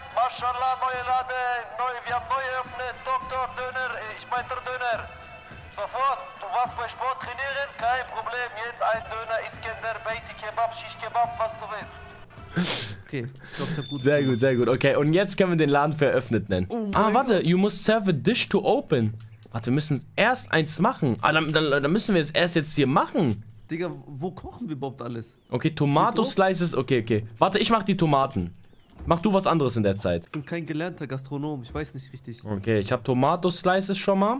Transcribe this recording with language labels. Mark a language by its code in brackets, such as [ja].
[de] Mashallah, neue Laden. Neue, wir haben neue eröffnet. Dr. Döner, ich meine der Döner. Sofort, du warst bei Sport trainieren? Kein Problem, jetzt ein Döner, Iskender, Beiti Kebab, Shish Kebab, was du willst. Okay, ich glaube, sehr gut. Sehr gut, sehr gut. Okay, und jetzt können wir den Laden für eröffnet nennen. Warte, [en] you must serve a dish to open. [de] Warte, wir müssen erst eins machen. Dann müssen wir es erst jetzt hier machen. Digga, wo kochen wir überhaupt alles? Okay, Tomato-Slices, okay. Warte, ich mach die Tomaten. Mach du was anderes in der Zeit. Ich bin kein gelernter Gastronom, ich weiß nicht richtig. Okay, ich hab Tomato-Slices schon mal.